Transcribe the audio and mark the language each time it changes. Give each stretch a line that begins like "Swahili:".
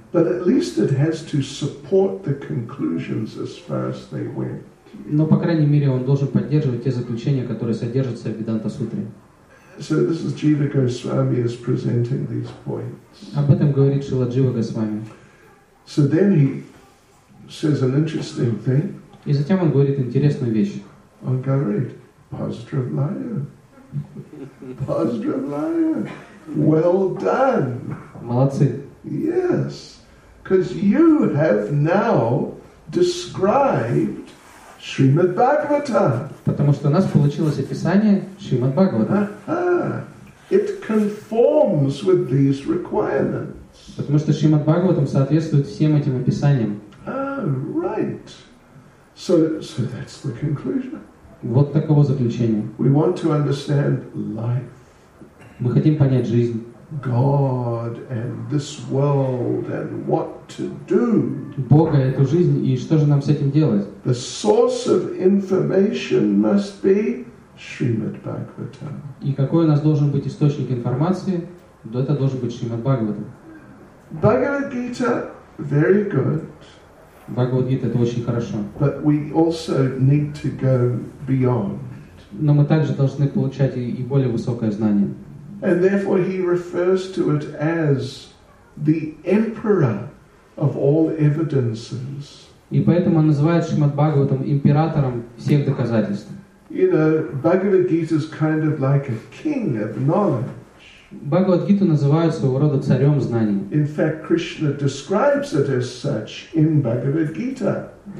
English: But at least it has to support the conclusions as far as they went.
Russian: Но, по крайней мере, он должен поддерживать те заключения, которые содержатся в Веданта Сутре.
English: So this is Jiva Goswami is presenting these points.
Russian: Об этом говорит Шрила Джива Госвами.
English: So then he says an interesting thing.
Russian: И затем он говорит интересную вещь. Он говорит, Bhajra Vlaya.
English: Well done.
Russian: Молодцы.
English: Yes. Because you have now described Srimad Bhagavatam.
Russian: Потому что у нас получилось описание Srimad Bhagavatam.
English: It conforms with these requirements.
Russian: Потому что Srimad Bhagavatam соответствует всем этим описаниям.
English: Ah, right. So that's the conclusion.
Russian: Вот такого заключения.
English: We want to understand life.
Russian: Мы хотим понять жизнь.
English: God and this world and what to do.
Russian: Бога, эту жизнь и что же нам с этим делать?
English: The source of information must be Srimad Bhagavatam.
Russian: И какой у нас должен быть источник информации? Да это должен быть Srimad Bhagavatam.
English: Bhagavad Gita, very good.
Russian: Бхагавад-гита — это очень хорошо.
English: But we also need to go beyond.
Russian: Но мы также должны получать и более высокое знание.
English: And therefore he refers to it as the emperor of all evidences.
Russian: И поэтому он называет Шримад-Бхагаватам императором всех доказательств.
English: You know, Бхагавад-гита is kind of like a king of knowledge.
Russian: Бхагавад-гиту называют своего рода царем знаний.
English: In fact, Krishna describes it as such in Bhagavad Gita.